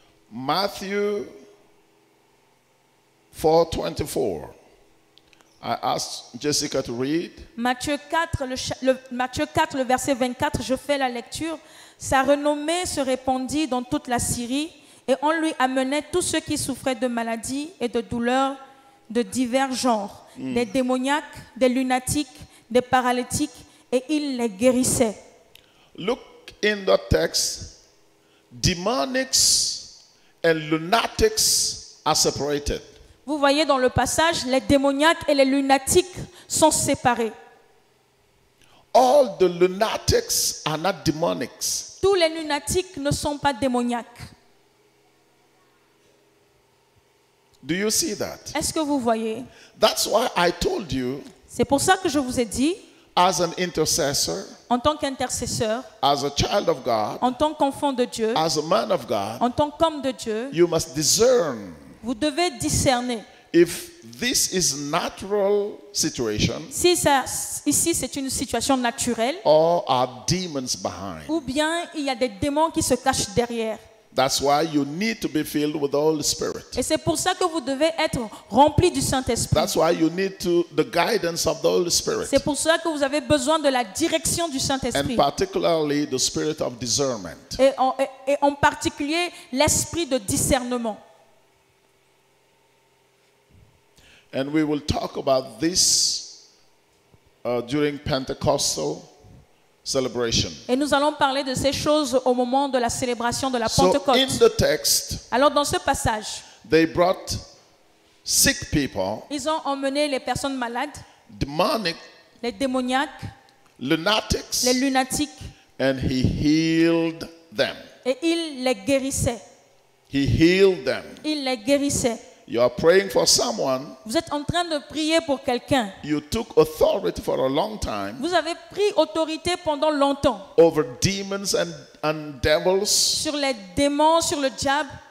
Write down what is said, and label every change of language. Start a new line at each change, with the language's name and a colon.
English: Matthew 4:24. I asked Jessica to read.
French: Matthieu 4, le verset 24, je fais la lecture. Sa renommée se répandit dans toute la Syrie et on lui amenait tous ceux qui souffraient de maladies et de douleurs de divers genres, des démoniaques, des lunatiques, des paralytiques, et il les guérissait.
English: Look in the text. Demonics and lunatics are separated.
French: Vous voyez dans le passage, les démoniaques et les lunatiques sont séparés.
English: All the lunatics are not demonics.
French: Tous les lunatiques ne sont pas démoniaques.
English: Do you see that?
French: Est-ce que vous voyez?
English: That's why I told you.
French: C'est pour ça que je vous ai dit.
English: As an intercessor.
French: En tant qu'intercesseur.
English: As a child of God.
French: En tant qu'enfant de Dieu.
English: As a man of God.
French: En tant qu'homme de Dieu.
English: You must discern.
French: Vous devez discerner.
English: If this is natural situation,
French: si ça, ici c'est une situation naturelle,
English: or are demons behind.
French: Ou bien il y a des démons qui se cachent derrière.
English: That's why you need to be filled with the Holy Spirit.
French: Et c'est pour ça que vous devez être rempli du Saint-Esprit.
English: That's why you need to the guidance of the Holy Spirit.
French: C'est pour ça que vous avez besoin de la direction du Saint-Esprit.
English: And particularly the spirit of discernment.
French: Et en particulier l'esprit de discernement.
English: And we will talk about this during Pentecostal celebration.
French: Et nous allons parler de ces choses au moment de la célébration de la Pentecôte.
English: So in the text,
French: alors dans ce passage,
English: they brought sick people,
French: ils ont emmené les personnes malades,
English: demonic,
French: les démoniaques,
English: lunatics,
French: les lunatiques,
English: and he healed them.
French: Et il les guérissait.
English: He healed them.
French: Il les guérissait.
English: You are praying for someone.
French: Vous êtes en train de prier pour quelqu'un.
English: You took authority for a long time.
French: Vous avez pris autorité pendant longtemps.
English: Over demons and devils.
French: Sur les démons, sur le diable.